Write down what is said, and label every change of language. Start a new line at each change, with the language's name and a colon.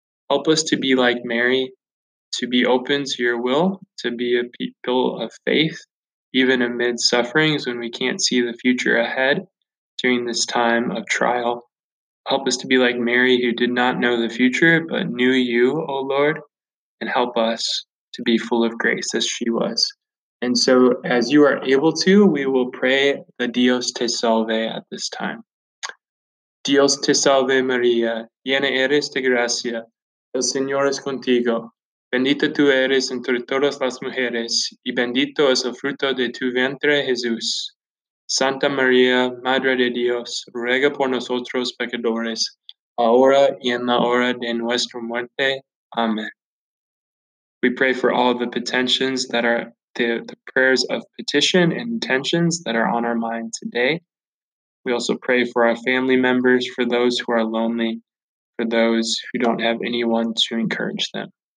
English: Help us to be like Mary, to be open to your will, to be a people of faith, even amid sufferings when we can't see the future ahead during this time of trial. Help us to be like Mary, who did not know the future, but knew you, O Lord, and help us to be full of grace as she was. And so as you are able to, we will pray the Dios te salve at this time.
Spanish: Dios te salve, Maria, llena eres de gracia, el Señor es contigo. Bendita tú eres entre todas las mujeres, y bendito es el fruto de tu vientre, Jesús. Santa María, Madre de Dios, ruega por nosotros pecadores, ahora y en la hora de nuestra muerte.
English: Amen. We pray for all the petitions that are the prayers of petition and intentions that are on our mind today. We also pray for our family members, for those who are lonely, for those who don't have anyone to encourage them.